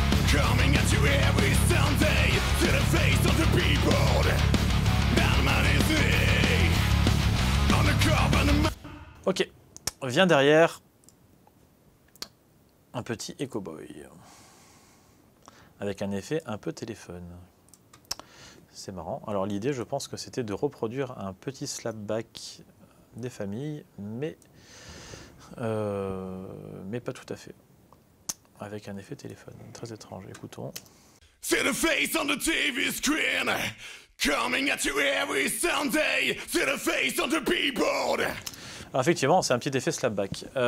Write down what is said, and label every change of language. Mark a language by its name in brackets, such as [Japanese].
[English] Coming at you every Sunday, to the face of the people, that man is me, on the curb and the man. [French] Ok, viens derrière, un petit Echo Boy, avec un effet un peu téléphone. C'est marrant. Alors l'idée, je pense que c'était de reproduire un petit slapback des familles, mais pas tout à fait. Avec un effet téléphone, très étrange, écoutons. [English] See the face on the TV screen, coming at you every Sunday. See the face on the billboard. [French] Alors effectivement, c'est un petit effet slapback.